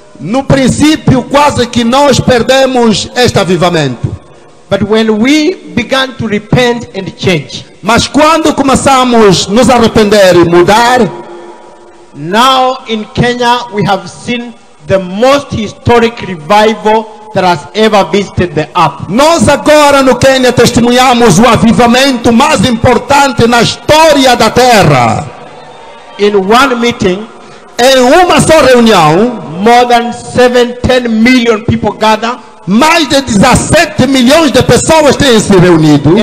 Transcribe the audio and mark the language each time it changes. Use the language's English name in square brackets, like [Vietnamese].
[Portuguese] No princípio, quase que nós perdemos este avivamento. [English] But when we began to repent and change. [Portuguese] Mas quando começamos a nos arrepender e mudar, [English] now in Kenya we have seen the most historic revival that has ever visited the earth. [Portuguese] Nós agora no Kenya testemunhamos o avivamento mais importante na história da Terra. [English] In one meeting, [Portuguese] em uma só reunião, [English] more than 17 million people gather. [Portuguese] Mais de 17 milhões de pessoas têm se reunido.